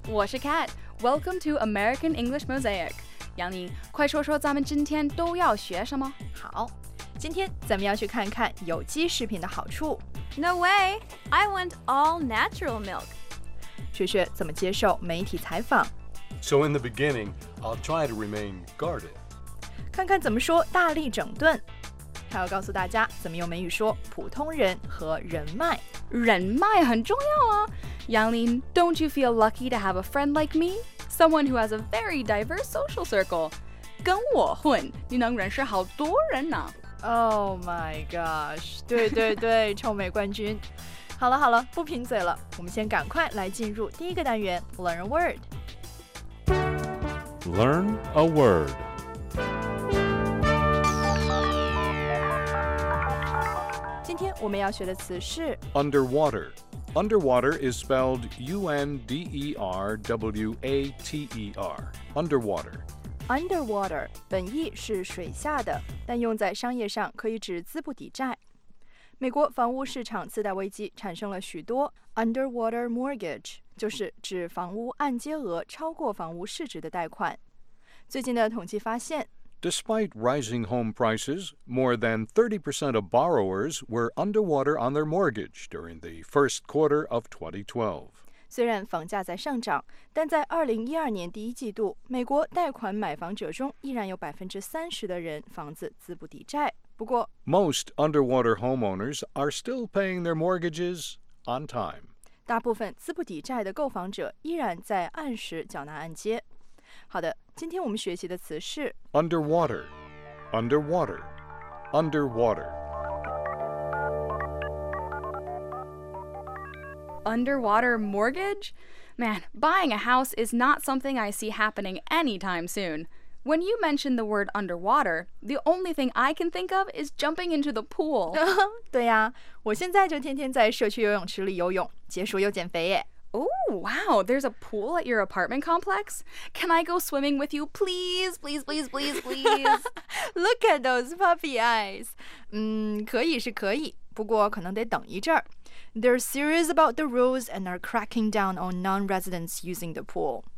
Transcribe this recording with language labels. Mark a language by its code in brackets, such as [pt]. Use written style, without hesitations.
[zh] 我是 [en] Kat。Welcome to American English Mosaic。 [zh] 杨林，快说说咱们今天都要学什么？好，今天咱们要去看看有机食品的好处。 [en] No way! I want all natural milk. [zh] 雪雪怎么接受媒体采访？ [en] So in the beginning, I'll try to remain guarded. [zh] 看看怎么说大力整顿。他要告诉大家怎么用美语说普通人和人脉。人脉很重要啊。 [en] 杨林， don't you feel lucky to have a friend like me? Someone who has a very diverse social circle. [zh] 跟我混，你能认识好多人呢。 [en] Oh my gosh, [zh] 对对对，臭美冠军。好了好了，不贫嘴了，我们先赶快来进入第一个单元 Learn a Word。 [en] Learn a Word。 [zh] 今天我们要学的词是 [en] Underwater。 Underwater is spelled U-N-D-E-R-W-A-T-E-R。 Underwater。 [zh] Underwater 本意是水下的，但用在商业上可以指资不抵债。美国房屋市场次贷危机产生了许多 underwater mortgage， 就是指房屋按揭额超过房屋市值的贷款。最近的统计发现， [en] Despite rising home prices, more than 30% of borrowers were underwater on their mortgage during the first quarter of 2012. [zh] 虽然房价在上涨，但在2012年第一季度，美国贷款买房者中依然有 30% 的人房子资不抵债。不过 [en] Most underwater homeowners are still paying their mortgages on time. [zh] 大部分资不抵债的购房者依然在按时缴纳按揭。好的，今天我们学习的词是 [en] Underwater, underwater, underwater. Underwater mortgage? Man, buying a house is not something I see happening anytime soon. When you mention the word underwater, the only thing I can think of is jumping into the pool. [zh] 对呀、啊，我现在就天天在社区游泳池里游泳，解暑又减肥耶。 [en] Oh, wow, there's a pool at your apartment complex? Can I go swimming with you, please, please, please, please, please? Look at those puppy eyes. [zh] 可以是可以，不过可能得等一阵儿。 [en] They're serious about the rules and are cracking down on non-residents using the pool.